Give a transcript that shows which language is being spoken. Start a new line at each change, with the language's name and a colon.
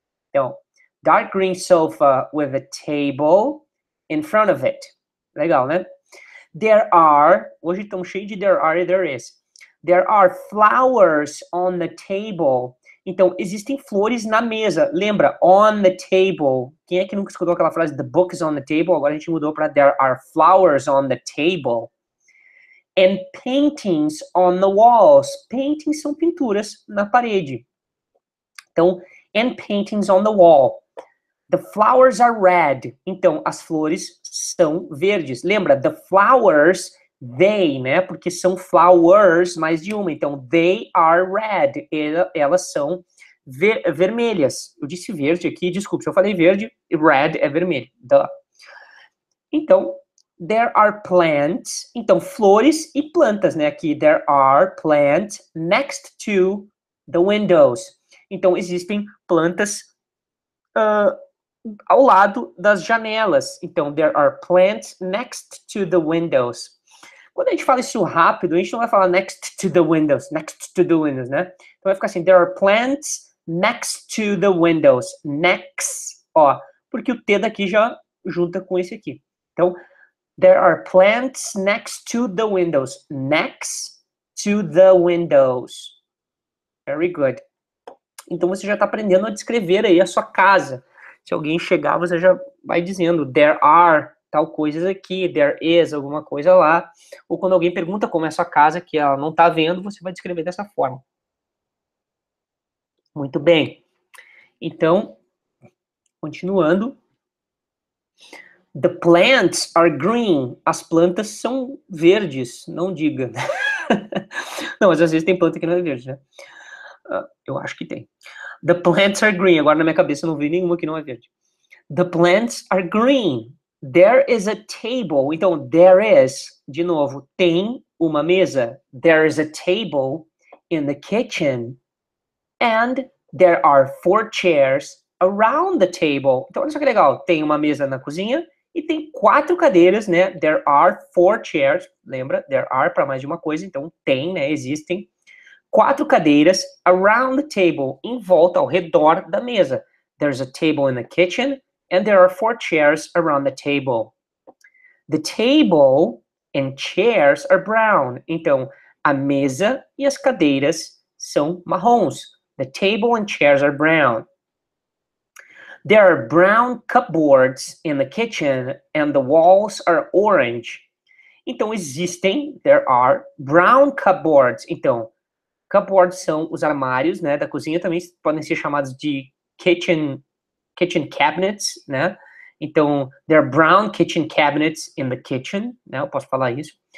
English: Então, dark green sofa with a table in front of it.
Portuguese: Legal, né?
English: There are,
Portuguese: hoje estamos cheios de
English: there are e there is. There are flowers on the table.
Portuguese: Então, existem flores na mesa. Lembra,
English: on the table.
Portuguese: Quem é que nunca escutou aquela frase,
English: the book is on the table?
Portuguese: Agora a gente mudou para
English: there are flowers on the table. And paintings on the walls.
Portuguese: Paintings são pinturas na parede.
English: Então, and paintings on the wall. The flowers are red.
Portuguese: Então, as flores são verdes.
English: Lembra, the flowers, they, né?
Portuguese: Porque são flowers, mais de uma. Então,
English: they are red.
Portuguese: Elas são vermelhas. Eu disse verde aqui, desculpe, se eu falei verde, red é vermelho. Duh. Então,
English: there are plants,
Portuguese: então flores e plantas, né?
English: Aqui, there are plants next to the windows.
Portuguese: Então, existem plantas ao lado das janelas.
English: Então, there are plants next to the windows.
Portuguese: Quando a gente fala isso rápido, a gente não vai falar
English: next to the windows,
Portuguese: next to the windows, né? Então, vai ficar assim,
English: there are plants next to the windows.
Portuguese: Next, ó. Porque o T daqui já junta com esse aqui.
English: Então, there are plants next to the windows. Next to the windows. Very good.
Portuguese: Então, você já está aprendendo a descrever aí a sua casa. Se alguém chegar, você já vai dizendo, there are tal coisas aqui, there is alguma coisa lá. Ou quando alguém pergunta como é a sua casa, que ela não está vendo, você vai descrever dessa forma. Muito bem. Então, continuando.
English: The plants are green.
Portuguese: As plantas são verdes, não diga. Não, mas às vezes tem planta que não é verde, né? Eu acho que tem.
English: The plants are green.
Portuguese: Agora na minha cabeça eu não vi nenhuma que não é verde.
English: The plants are green. There is a table. Então, there is,
Portuguese: de novo, tem uma mesa.
English: There is a table in the kitchen. And there are four chairs around the table.
Portuguese: Então, olha só que legal. Tem uma mesa na cozinha e tem quatro cadeiras, né?
English: There are four chairs.
Portuguese: Lembra? There are para mais de uma coisa. Então, tem, né? Existem. Quatro cadeiras
English: around the table,
Portuguese: em volta, ao redor da mesa.
English: There's a table in the kitchen, and there are four chairs around the table. The table and chairs are brown.
Portuguese: Então, a mesa e as cadeiras são marrons.
English: The table and chairs are brown. There are brown cupboards in the kitchen, and the walls are orange.
Portuguese: Então, existem,
English: there are brown cupboards.
Portuguese: Então, cupboards são os armários, né, da cozinha, também podem ser chamados de
English: kitchen cabinets,
Portuguese: né?
English: Então, there are brown kitchen cabinets in the kitchen, né?
Portuguese: Eu posso falar isso.